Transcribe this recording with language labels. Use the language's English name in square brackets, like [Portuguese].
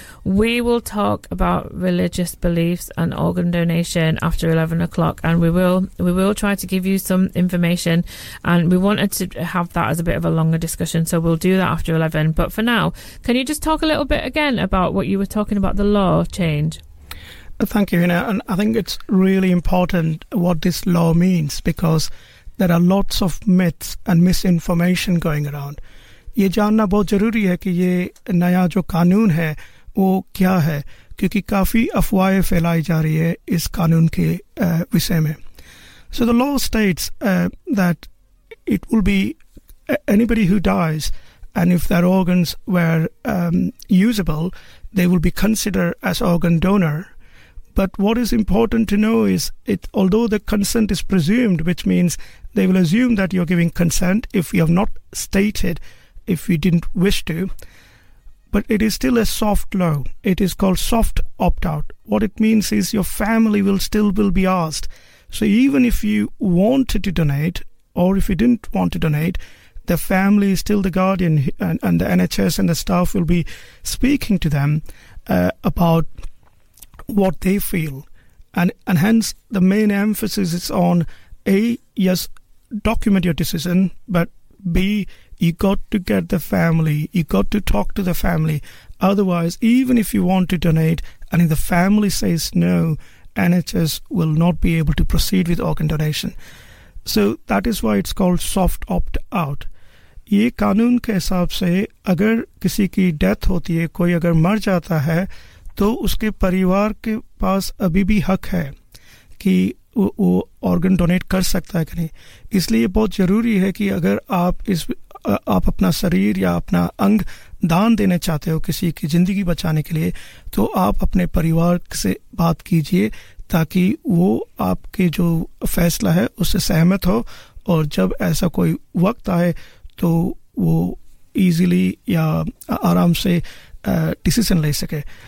[English] We will talk about religious beliefs and organ donation after 11 o'clock, and we will try to give you some information, and we wanted to have that as a bit of a longer discussion, so we'll do that after 11. But for now, can you just talk a little bit again about what you were talking about, the law change? Thank you, Hina, and I think it's really important what this law means, because there are lots of myths and misinformation going around. [Hindi] Ye janna bahut zaruri hai ki ye naya jo kanoon hai वो क्या है, क्योंकि काफी अफवाहें फैलाई जा रही है इस कानून के विषय में. [English] So the law states that it will be anybody who dies and if their organs were usable they will be consider as organ donor. But what is important to know is it although the consent is presumed, which means they will assume that you are giving consent if you have not stated, if you didn't wish to. But it is still a soft law. It is called soft opt-out. What it means is your family will still be asked. So even if you wanted to donate or if you didn't want to donate, the family is still the guardian, and the NHS and the staff will be speaking to them about what they feel. And hence the main emphasis is on A, yes, document your decision, but B, you got to get the family, you got to talk to the family. Otherwise, even if you want to donate and if the family says no, NHS will not be able to proceed with organ donation. So that is why it's called soft opt-out. [Hindi] ये कानून के हिसाब से अगर किसी की death होती है, कोई अगर मर जाता है, तो उसके परिवार के पास अभी भी हक है कि वो organ donate कर सकता है कि नहीं. इसलिए बहुत जरूरी है कि अगर आप इस आप अपना शरीर या अपना अंग दान देने चाहते हो किसी की जिंदगी बचाने के लिए, तो आप अपने परिवार से बात कीजिए ताकि वो आपके जो फैसला है उससे सहमत हो, और जब ऐसा कोई वक्त आए तो वो इजीली या आराम से डिसीजन ले सके.